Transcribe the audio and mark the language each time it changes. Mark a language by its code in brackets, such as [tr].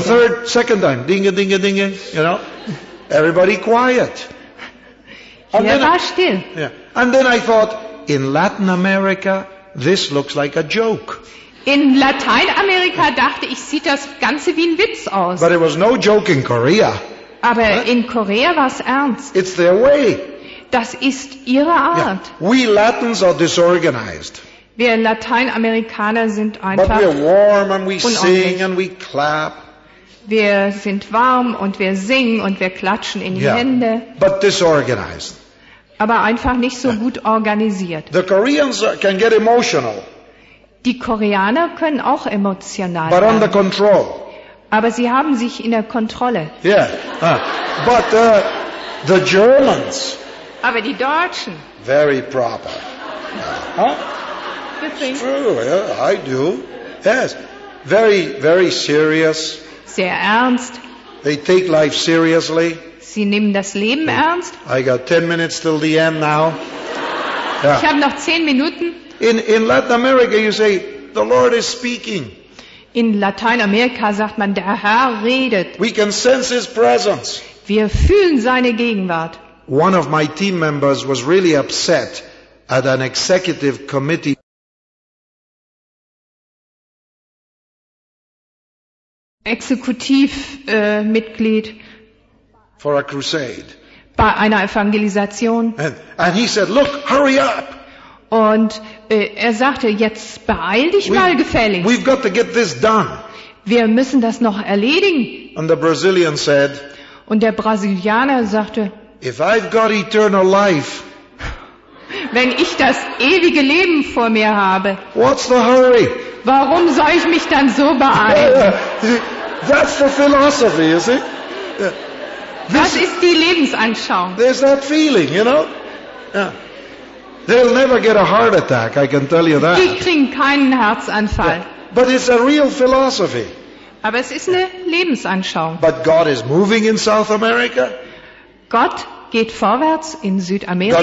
[en] The third, second time, dinge, dinge, dinge, you know. Everybody quiet. And then, [de] war still. [en] And then I thought, in Latin America, this looks like a joke. [de] In Lateinamerika dachte ich, sieht das Ganze wie ein Witz aus. [en] But it was no joke in Korea. [de] Aber in Korea war es ernst. [en] It's their way. [de] Das ist ihre Art. Yeah. [en] We Latins are disorganized. [de] Wir Lateinamerikaner sind einfach unordentlich. [en] But we warm and we sing and we clap. [de] Wir sind warm und wir singen und wir klatschen in die Hände. [en] But disorganized. [de] Aber einfach nicht so gut organisiert. [en] The Koreans can get emotional. [de] Die Koreaner können auch emotional sein. [en] But under control. [de] Aber sie haben sich in der Kontrolle. [en] Yeah. But the Germans. [de] Aber die Deutschen. [en] Very proper. It's true. Yeah, I do. Yes. Very, very serious. [de] Sehr ernst. [en] They take life seriously. [de] Sie nehmen das Leben ernst. [en] I got 10 minutes till the end now. [de] Yeah. Ich habe noch 10 Minuten. [en] In Latin America you say, the Lord is speaking. [de] In Lateinamerika sagt man, der Herr redet. [en] We can sense his presence. [de] Wir fühlen seine Gegenwart. [en] One of my team members was really upset at an executive committee. [de] Exekutivmitglied. [en] For a crusade. [de] Bei einer Evangelisation. [en] And he said, look, hurry up. [de] Und er sagte, jetzt beeil dich mal gefälligst. [en] We've got to get this done. [de] Wir müssen das noch erledigen. [en] And the Brazilian said, [de] und der Brasilianer sagte, [en] if I've got eternal life, [de] wenn ich das ewige Leben vor mir habe, [en] what's the hurry? [de] Warum soll ich mich dann so beeilen? [en] That's the philosophy, you see? [de] Das ist die Lebensanschauung. [en] There's that feeling, you know? They'll never get a heart attack, I can tell you that. [de] Die kriegen keinen Herzanfall. [en] But it's a real philosophy. [de] Aber es ist eine Lebensanschauung. [en] But God is moving in South America. [de] Gott geht vorwärts in Südamerika.